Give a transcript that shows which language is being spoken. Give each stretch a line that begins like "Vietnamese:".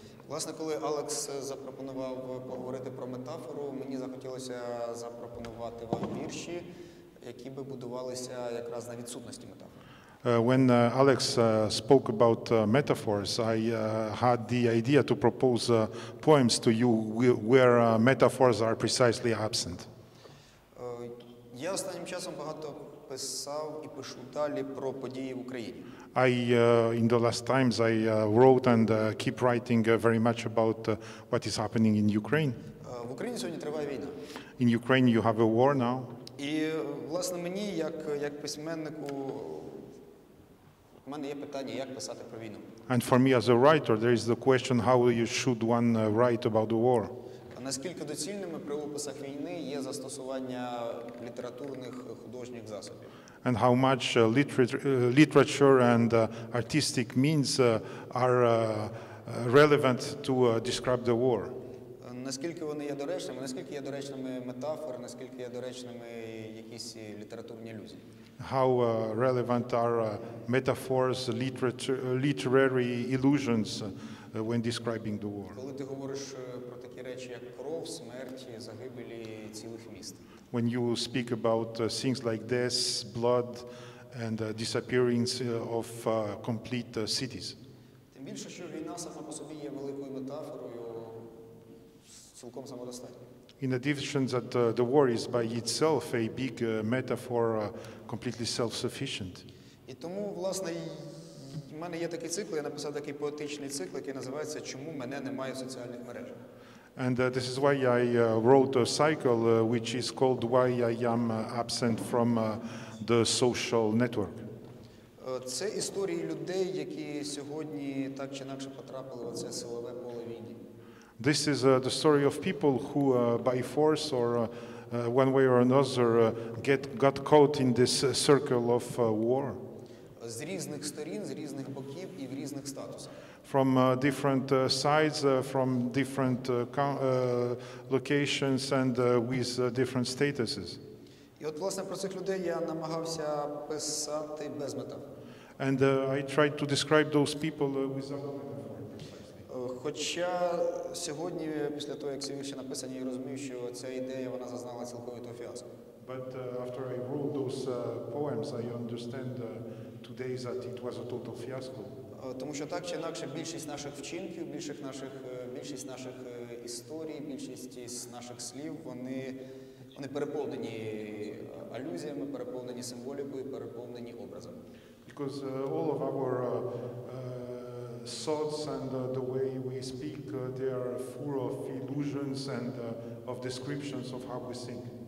Ukrainian: Власне, коли Алекс запропонував поговорити про метафору, мені захотілося запропонувати вам вірші, які би будувалися якраз на відсутності метафори.
English: When Alex spoke about metaphors, I had the idea to propose poems to you where metaphors are precisely absent.
Ukrainian: Я останнім часом багато писав і пишу далі про події в Україні.
English: In the last times I wrote and keep writing very much about what is happening in Ukraine.
Ukrainian: В Україні сьогодні триває війна.
English: In Ukraine you have a war now.
Ukrainian: І власне мені як письменнику, у мене є питання, як писати про війну.
English: And for me as a writer, there is the question how you should one write about the war.
Ukrainian: Наскільки доцільними при описах війни є застосування літературних художніх засобів?
English: And how much literature and artistic means are relevant to describe the war?
Ukrainian: Наскільки вони є доречними? Наскільки є доречними метафори? Наскільки є доречними якісь літературні ілюзії?
English: How relevant are metaphors, literary illusions when describing the war?
Ukrainian: Коли ти говориш про такі речі, як кров, смерть, загибелі цілих міст.
English: When you speak about things like death, blood, and disappearance of complete cities.
Ukrainian: Тим більше, що війна сама по собі є великою метафорою, цілком самодостатньо.
English: In addition, that the war is by itself a big metaphor, completely self-sufficient.
Ukrainian: І тому, власне, у мене є такий цикл, я написав такий поетичний цикл, який називається «Чому мене немає в соціальних мережах?».
English: And this is why I wrote a cycle, which is called «Why I am absent from the social network».
Ukrainian: Це історії людей, які сьогодні так чи інакше потрапили в це силове поле війни.
English: This is the story of people who, by force or one way or another, got caught in this circle of war.
Ukrainian: З різних сторін, з різних боків і в різних статусах.
English: From different sides, from different locations and with different statuses.
Ukrainian: І от, власне, про цих людей я намагався писати без метафор.
English: And I tried to describe those people without metaphor.
Ukrainian: Хоча сьогодні, після того, як ці вірші написані, я розумію, що ця ідея, вона зазнала цілковитого фіаско.
English: But after I wrote those poems, I understand today that it was a total fiasco.
Ukrainian: Тому що так чи інакше більшість наших вчинків, більшість наших історій, більшість із наших слів, вони переповнені алюзіями, переповнені символікою, переповнені образом.
English: because all of our thoughts and the way we speak, they are full of illusions and of descriptions of how we think.